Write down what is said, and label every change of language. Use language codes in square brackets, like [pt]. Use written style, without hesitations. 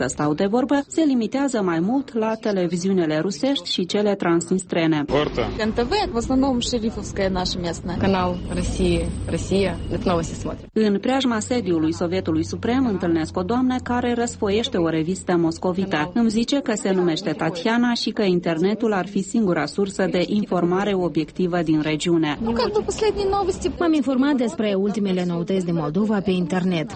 [ro] să stau de vorbă, se limitează mai mult la televiziunile rusești și cele transnistrene. [ru] НТВ, в основном шерифовское наше местное. Канал Россия, Россия. Это новости смотрят. [ro] În preajma sediului Sovietului Suprem întâlnesc o doamnă care răsfoiește o revistă moscovită. Îmi zice că se numește Tatiana și că internetul ar fi singura sursă de informare obiectivă din regiune. M-am informat despre ultimele noutăți din Moldova pe internet.